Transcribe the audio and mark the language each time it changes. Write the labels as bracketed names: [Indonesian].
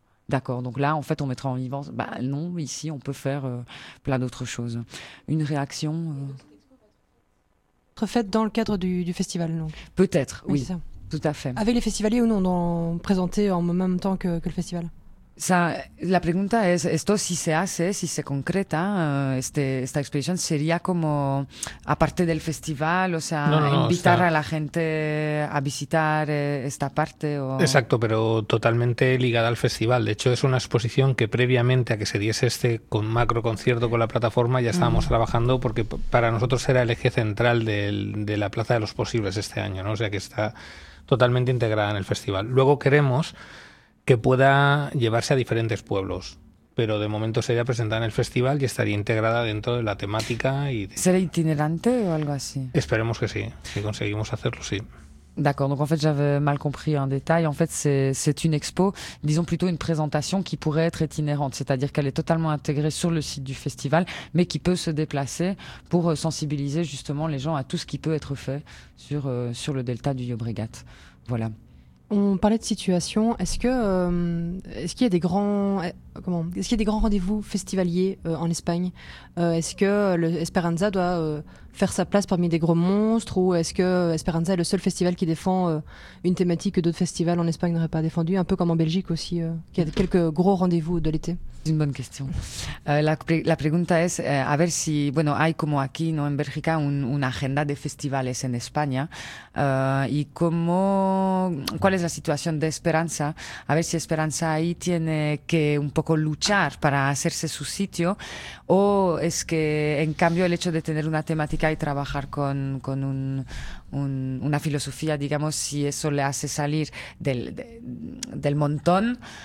[French] D'accord, donc là, en fait, on mettra en vivant, non, ici, on peut faire plein d'autres choses. Une réaction faite dans le cadre du festival, donc. Peut-être, oui, ça. Tout à fait. Avec les festivaliers ou non, présenté en même temps que le festival. [Spanish] Ça, la pregunta es esto si se hace, si se concreta esta exposición sería como aparte del festival, o sea, invitar a la gente a visitar esta parte o... Exacto, pero totalmente ligada al festival. De hecho, es una exposición que previamente a que se diese este con macro concierto con la plataforma ya estábamos trabajando, porque para nosotros era el eje central de la Plaza de los Posibles este año, ¿no? O sea, que está totalmente integrada en el festival. Luego queremos que pueda llevarse a diferentes pueblos, pero de momento sería presentada en el festival y estaría integrada dentro de la temática. ¿Será itinerante o algo así? Esperemos que sí, si conseguimos hacerlo, sí. [French] D'accord, donc en fait j'avais mal compris un détail. En fait, c'est une expo, disons plutôt une présentation qui pourrait être itinérante, c'est-à-dire qu'elle est totalement intégrée sur le site du festival, mais qui peut se déplacer pour sensibiliser justement les gens à tout ce qui peut être fait sur le delta du Llobregat. Voilà. On parlait de situation. Est-ce qu'il y a des grands rendez-vous festivaliers en Espagne? Est-ce que l'Esperanza doit faire sa place parmi des gros monstres, ou est-ce que Esperanza est le seul festival qui défend une thématique que d'autres festivals en Espagne n'auraient pas défendue, un peu comme en Belgique aussi, qu'il y a quelques gros rendez-vous de l'été? C'est une bonne question. [Spanish] La pregunta es a ver si, bueno, hay como aquí, ¿no?, en Bélgica, una agenda de festivales en España. ¿Cuál es la situación de Esperanza? A ver si Esperanza ahí tiene que un poco luchar para hacerse su sitio, o es que, en cambio, el hecho de tener una temática y trabajar con una filosofía, digamos, si eso le hace salir del montón.